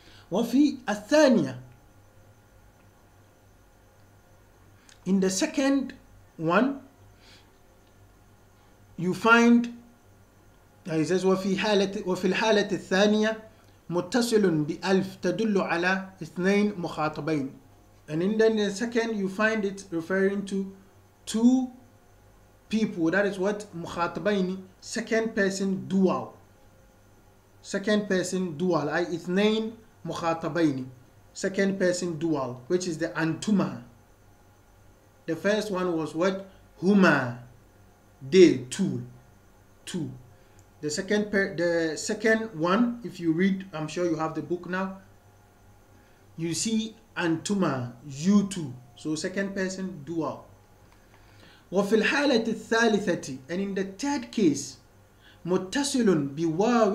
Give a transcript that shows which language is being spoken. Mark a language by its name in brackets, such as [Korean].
[Arabic] Wafi athaniya. [English] In the second one, you find, he says, [Arabic] wafi halati athaniya. متصل بألف تدل على اثنين مخاطبين. [English] And in the second, you find it referring to two people. That is what مخاطبين, second person dual. Second person dual. I [Arabic] اثنين مخاطبين. [English] Second person dual, which is the أنتما. The first one was what? هما. They, two. Two. The second one, if you read, I'm sure you have the book now, you see antuma, you two. So second person, dual. [Arabic] وفي الحالة الثالثة, [English] and in the third case, [Arabic] متصل بواو.